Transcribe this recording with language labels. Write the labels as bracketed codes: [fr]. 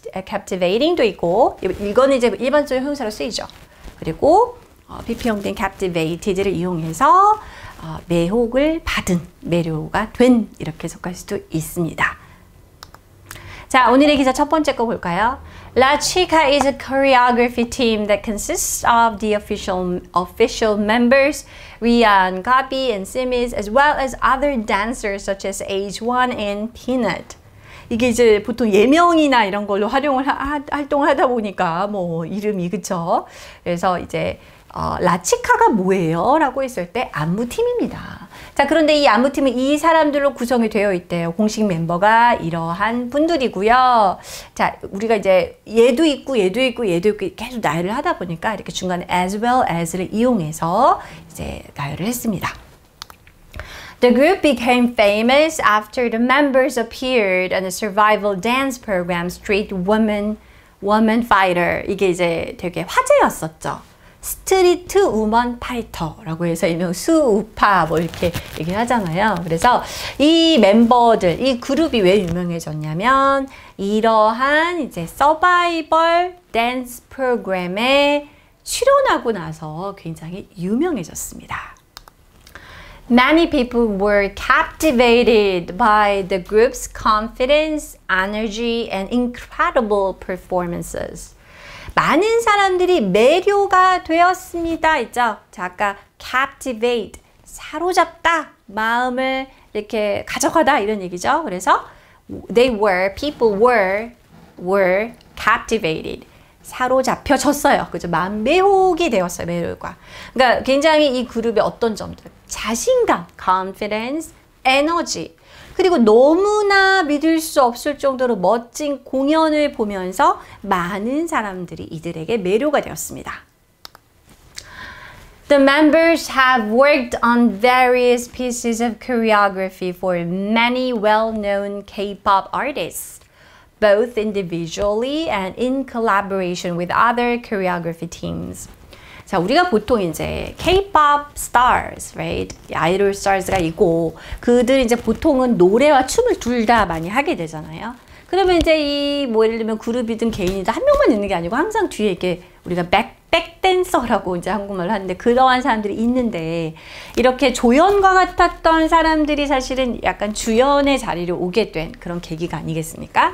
[ko] captivating도 있고 이거는 이제 일반적인 형용사로 쓰이죠. 그리고 BP형된 captivated를 이용해서 매혹을 받은, 매료가 된 이렇게 해석할 수도 있습니다. 자, 오늘의 기사 첫 번째 거 볼까요? [en] La Chica is a choreography team that consists of the official members, Rian, Gabi, and Simiz, as well as other dancers such as H1 and Peanut. [ko] 이게 이제 보통 예명이나 이런 걸로 활동하다 보니까 뭐 이름이 그쵸? 그래서 이제 라치카가 뭐예요? 라고 했을 때 안무팀입니다. 자, 그런데 이 안무팀은 이 사람들로 구성이 되어 있대요. 공식 멤버가 이러한 분들이고요. 자, 우리가 이제 얘도 있고 얘도 있고 얘도 있고 계속 나열을 하다 보니까 이렇게 중간에 as well as를 이용해서 이제 나열을 했습니다. [en] The group became famous after the members appeared on the survival dance program Street Woman Fighter. [ko] 이게 이제 되게 화제였었죠. 스트리트 우먼 파이터라고 해서 일명 수우파 뭐 이렇게 얘기를 하잖아요. 그래서 이 멤버들, 이 그룹이 왜 유명해졌냐면 이러한 이제 서바이벌 댄스 프로그램에 출연하고 나서 굉장히 유명해졌습니다. [en] Many people were captivated by the group's confidence, energy, and incredible performances. [ko] 많은 사람들이 매료가 되었습니다. 있죠? 자, 아까 captivate, 사로잡다, 마음을 이렇게 가져가다 이런 얘기죠. 그래서 [en] people were captivated, [ko] 사로잡혀졌어요. 그죠? 마음 매혹이 되었어요. 매료가. 그러니까 굉장히 이 그룹의 어떤 점들, 자신감, confidence, energy. 그리고 너무나 믿을 수 없을 정도로 멋진 공연을 보면서 많은 사람들이 이들에게 매료가 되었습니다. [en] The members have worked on various pieces of choreography for many well-known K-pop artists, both individually and in collaboration with other choreography teams. [ko] 자, 우리가 보통 이제 [en] K-pop stars, right? [ko] 아이돌 stars가 있고, 그들 이제 보통은 노래와 춤을 둘다 많이 하게 되잖아요. 그러면 이제 이, 뭐 예를 들면 그룹이든 개인이든 한 명만 있는 게 아니고 항상 뒤에 이렇게 우리가 백댄서라고 이제 한국말로 하는데 그러한 사람들이 있는데, 이렇게 조연과 같았던 사람들이 사실은 약간 주연의 자리를 오게 된 그런 계기가 아니겠습니까?